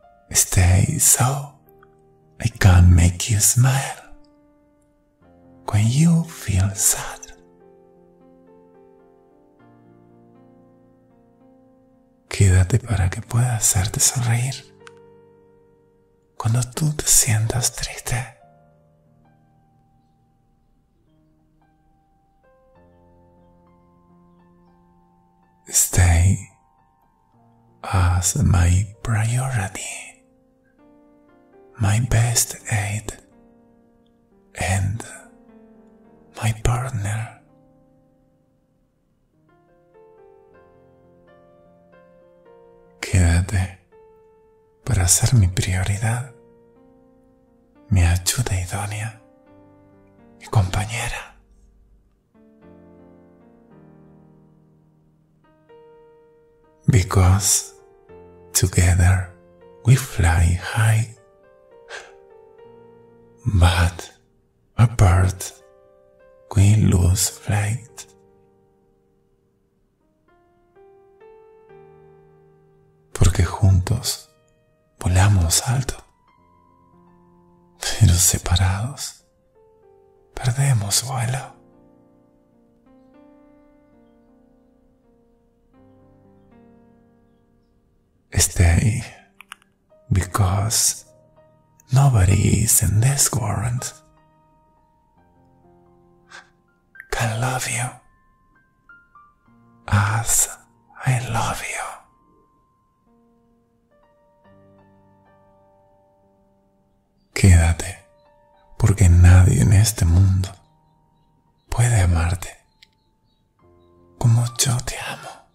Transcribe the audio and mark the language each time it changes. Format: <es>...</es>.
<en>Stay so I can make you smile when you feel sad.</en> <es>Quédate para que pueda hacerte sonreír cuando tú te sientas triste.</es> <en>Stay as my priority, my best aid, and my partner.</en> <es>Quédate para ser mi prioridad, mi ayuda idónea, mi compañera.</es> <en>Because together we fly high, but apart we lose flight.</en> <es>Porque juntos volamos alto, pero separados perdemos vuelo.</es> <en>Stay, because nobody is in this world can love you as I love you.</en> <es>Quédate, porque nadie en este mundo puede amarte como yo te amo.</es>